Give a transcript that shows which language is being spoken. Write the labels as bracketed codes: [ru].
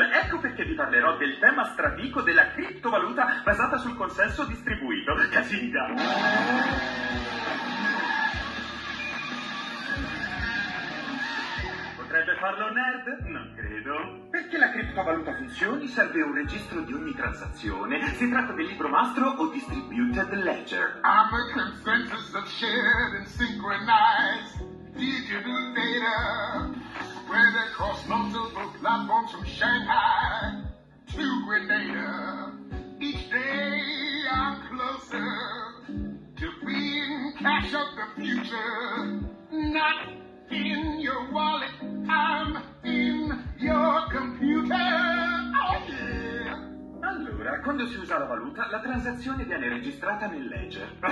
[it] Ecco perché vi parlerò del tema strafico della criptovaluta basata sul consenso distribuito. Casino. Potrebbe farlo un nerd? Non credo. Perché la criptovaluta funzioni serve un registro di ogni transazione. Si tratta del libro mastro o distributed ledger. [en] I'm a consensus of shared and synchronized digital data spread across multiple platforms from Shanghai to Grenada. Each day I'm closer to being cash of the future, not in your wallet. I'm in your computer. [it] Allora, quando si usa la valuta, la transazione viene registrata nel ledger.